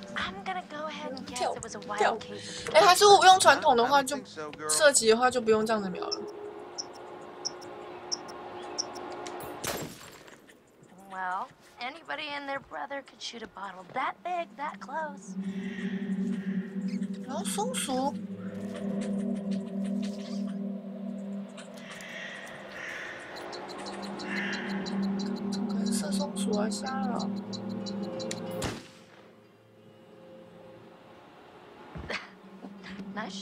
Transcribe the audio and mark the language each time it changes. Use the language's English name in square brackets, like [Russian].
[English] I'm gonna go ahead and guess it was a wild case. [Chinese] 哎，还是我用传统的话，就射击的话就不用这样子瞄了。 [English] Well, anybody and their brother could shoot a bottle that big, that close. [Chinese] 然后松鼠，可能是松鼠啊，瞎了。 [English] Nice